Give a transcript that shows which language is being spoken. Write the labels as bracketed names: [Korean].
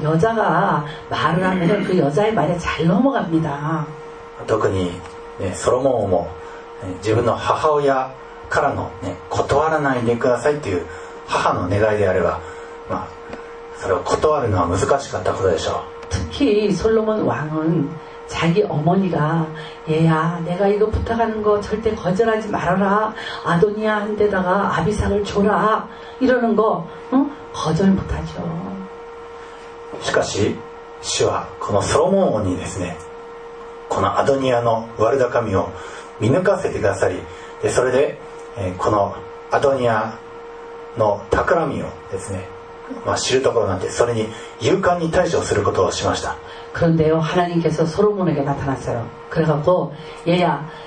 [Korean] 여자가 말을 하면 그 여자의 말에 잘 넘어갑니다. 특히 솔로몬도 [Japanese] 自分の母親からの断らないでくださいという母の願いであれば それを断るのは難しかったことでしょう。 [Korean] 특히 솔로몬 왕은 자기 어머니가 얘야 내가 이거 부탁하는 거 절대 거절하지 말아라 아도니아한테다가 아비삭을 줘라 이러는 거 응? 거절 못하죠. [Japanese] しかし主はこのソロモン王にですねこのアドニアの悪だかみを見抜かせてくださり、それでこのアドニアの企みをですね 知るところなんてそれに勇敢に対処することをしました。 [Korean] 그런데요 하나님께서 솔로몬에게 나타났어요. 그래갖고 얘야